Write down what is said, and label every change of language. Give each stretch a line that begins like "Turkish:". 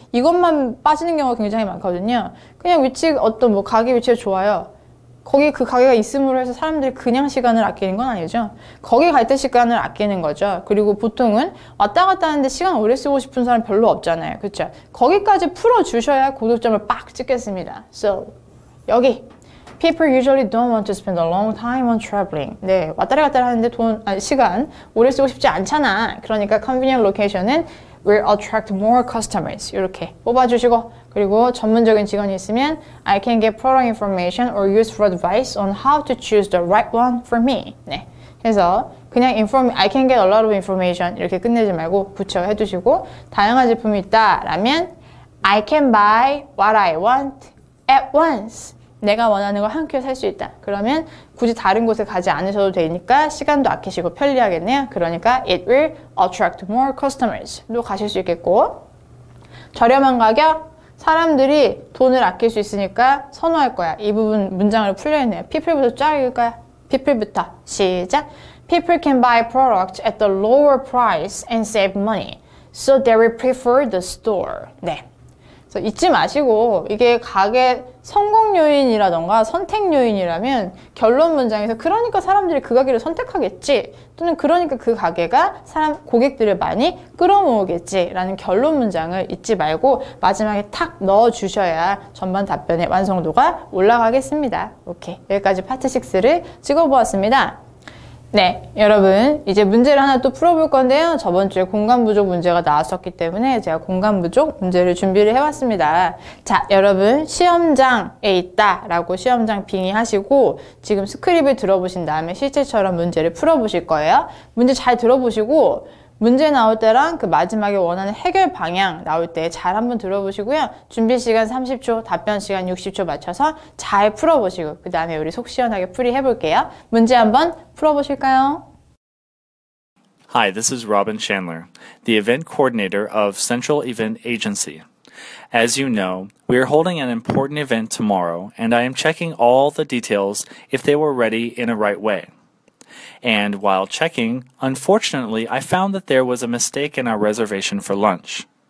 Korean: 이것만 빠지는 경우가 굉장히 많거든요. 그냥 위치, 어떤 뭐 가게 위치가 좋아요. 거기 그 가게가 있음으로 해서 사람들이 그냥 시간을 아끼는 건 아니죠. 거기 갈때 시간을 아끼는 거죠. 그리고 보통은 왔다 갔다 하는데 시간 오래 쓰고 싶은 사람 별로 없잖아요. 그렇죠? 거기까지 풀어주셔야 구독점을 빡 찍겠습니다. So, 여기.
English: People usually don't want to spend a long time on traveling.
Korean: 네, 왔다리 갔다리 하는데 돈, 아니, 시간 오래 쓰고 싶지 않잖아. 그러니까
English: convenient location은 will attract more customers.
Korean: 이렇게 뽑아주시고, 그리고 전문적인 직원이 있으면
English: I can get product information or useful advice on how to choose the right one for me.
Korean: 네, 그래서 그냥
English: I can get a lot of information
Korean: 이렇게 끝내지 말고 붙여 해두시고, 다양한 제품이 있다라면
English: I can buy what I want at once.
Korean: 내가 원하는 걸한 큐에 살수 있다. 그러면 굳이 다른 곳에 가지 않으셔도 되니까 시간도 아끼시고 편리하겠네요. 그러니까
English: it will attract more customers
Korean: 로 가실 수 있겠고, 저렴한 가격, 사람들이 돈을 아낄 수 있으니까 선호할 거야. 이 부분 문장으로 풀려있네요. People부터 쫙 읽을까요? People부터 시작.
English: People can buy products at the lower price and save money, so they will prefer the store.
Korean: 네. 잊지 마시고, 이게 가게 성공 요인이라던가 선택 요인이라면 결론 문장에서 그러니까 사람들이 그 가게를 선택하겠지, 또는 그러니까 그 가게가 사람 고객들을 많이 끌어모으겠지라는 결론 문장을 잊지 말고 마지막에 탁 넣어주셔야 전반 답변의 완성도가 올라가겠습니다. 오케이, 여기까지 파트 6를 찍어보았습니다. 네, 여러분, 이제 문제를 하나 또 풀어볼 건데요. 저번 주에 공간 부족 문제가 나왔었기 때문에 제가 공간 부족 문제를 준비를 해왔습니다. 자, 여러분, 시험장에 있다라고 시험장 빙의하시고, 지금 스크립을 들어보신 다음에 실제처럼 문제를 풀어보실 거예요. 문제 잘 들어보시고, 문제 나올 때랑 그 마지막에 원하는 해결 방향 나올 때잘 한번 들어보시고요. 준비 시간 30초, 답변 시간 60초 맞춰서 잘 풀어보시고, 그 다음에 우리 속 시원하게 풀이해볼게요. 문제 한번 풀어보실까요?
English: Hi, this is Robin Chandler, the event coordinator of Central Event Agency. As you know, we are holding an important event tomorrow, and I am checking all the details if they were ready in a right way. And while checking, unfortunately, I found that there was a mistake in our reservation for lunch.